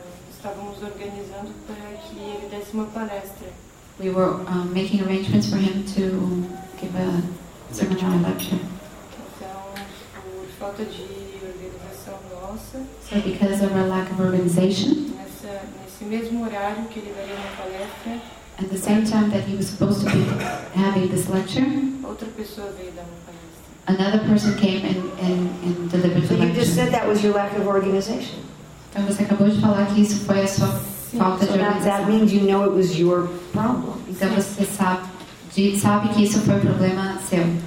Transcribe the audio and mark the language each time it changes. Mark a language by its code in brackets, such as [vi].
[pt] estávamos organizando para que ele desse uma palestra. [en] We were making arrangements for him to give a seminar lecture. [pt] Então, por falta de organização nossa, nossa. [en] So because of our lack of organization. [pt] Nesse mesmo horário que ele daria uma palestra. [en] At the same time that he was supposed to be having this lecture. [pt] Outra pessoa veio dar uma palestra. [en] Another person came and delivered the lecture. So you just said that was your lack of organization. [pt] Então você acabou de falar que isso foi a sua falta de organização. [en] So that means you know it was your problem. [pt] Então você sabe que isso foi problema seu.